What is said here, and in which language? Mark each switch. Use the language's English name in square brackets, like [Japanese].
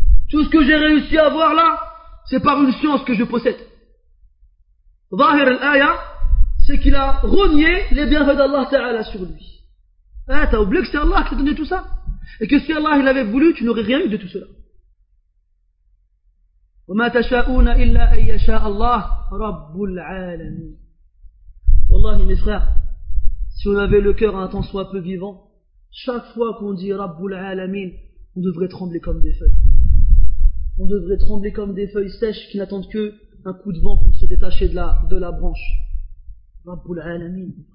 [French] Tout ce que j'ai réussi à avoir là, c'est par une science que je possède. Zahir al-aya, c'est qu'il a renié les bienfaits d'Allah Ta'ala sur lui. Ah, t'as oublié que c'est Allah qui t'a donné tout ça? Et que si Allah, il avait voulu, tu n'aurais rien eu de tout cela. [Arabic] وما تشاءون الا ان يشاء الله رب العالمين. [French] والله mes frères, si on avait le cœur un tant soit peu vivant, chaque fois qu'on dit rabbul alamin, on devrait trembler comme des feuilles. On devrait trembler comme des feuilles sèches qui n'attendent que un coup de vent pour se détacher de la branche. Rabbul alamin.